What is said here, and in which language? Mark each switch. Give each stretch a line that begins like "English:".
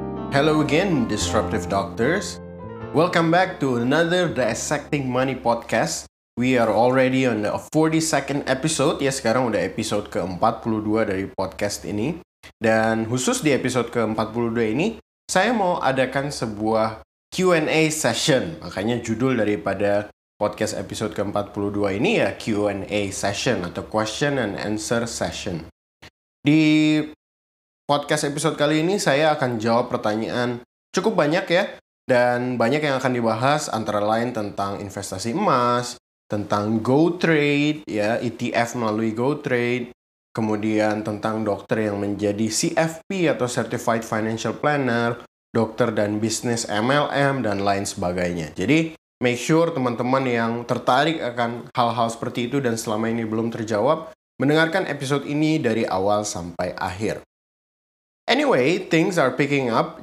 English: Hello again, disruptive doctors. Welcome back to another Dissecting Money podcast. We are already on the 42nd episode.
Indonesian: Ya, sekarang udah episode ke-42 dari podcast ini. Dan khusus di episode ke-42 ini, saya mau adakan sebuah Q&A session. Makanya judul daripada podcast episode ke-42 ini ya Q&A session atau
English: question and answer session.
Indonesian: Di podcast episode kali ini, saya akan jawab pertanyaan cukup banyak ya. Dan banyak yang akan dibahas, antara lain tentang investasi emas, tentang GoTrade, ya, ETF melalui GoTrade, kemudian tentang dokter yang menjadi CFP atau Certified Financial Planner, dokter dan bisnis MLM, dan lain sebagainya. Jadi,
English: make sure
Indonesian: teman-teman yang tertarik akan hal-hal seperti itu dan selama ini belum terjawab, mendengarkan episode ini dari awal sampai akhir.
English: Anyway, things are picking up.